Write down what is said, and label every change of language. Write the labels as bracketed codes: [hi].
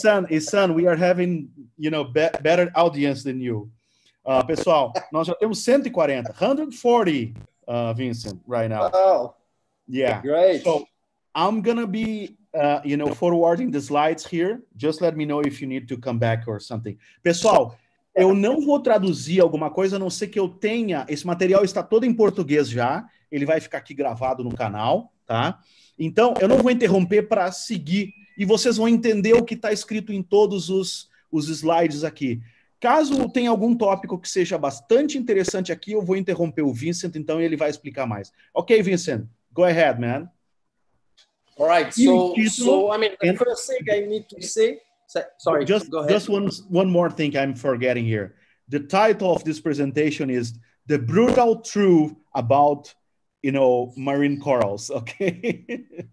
[en] Isan, we are having, you know, better audience than you. [pt] Pessoal, nós já temos 140, 140. [en] Vincent, right now. Wow. Yeah. Great. So I'm going to be, forwarding the slides here. Just let me know if you need to come back or something. [pt] Pessoal, eu não vou traduzir alguma coisa, a não ser que eu tenha... Esse material está todo em português já. Ele vai ficar aqui gravado no canal, tá? Então, eu não vou interromper para seguir. E vocês vão entender o que está escrito em todos os slides aqui. Caso tenha algum tópico que seja bastante interessante aqui, eu vou interromper o Vincent, então ele vai explicar mais. [en] Ok, Vincent, go ahead, man. All right, the first thing I need to say... Sorry, just, go ahead. Just one more thing I'm forgetting here. The title of this presentation is The Brutal Truth About, Marine Corals, okay?